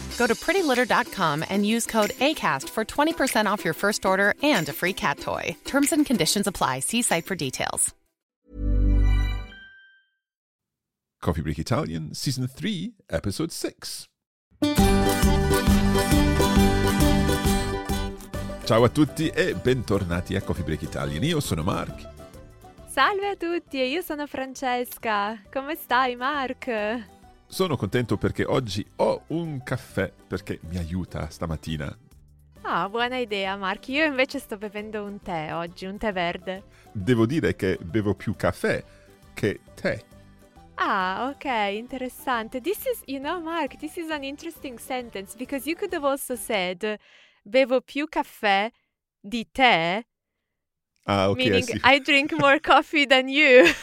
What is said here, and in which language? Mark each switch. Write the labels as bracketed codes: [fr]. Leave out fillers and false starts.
[en] Go to prettylitter.com and use code ACAST for 20% off your first order and a free cat toy. Terms and conditions apply. See site for details. Coffee Break Italian, Season 3, Episode 6. [it] Ciao a tutti e bentornati a Coffee Break Italian. Io sono Mark. Salve a tutti e io sono Francesca. Come stai, Mark? Sono contento perché oggi ho un caffè perché mi aiuta stamattina. Ah, buona idea, Mark. Io invece sto bevendo un tè oggi, un tè verde. Devo dire che bevo più caffè che tè. Ah, ok, interessante. [en] This is, you know, Mark, this is an interesting sentence because you could have also said [it] bevo più caffè di tè. [en] Ah, okay, meaning, I drink more coffee than you.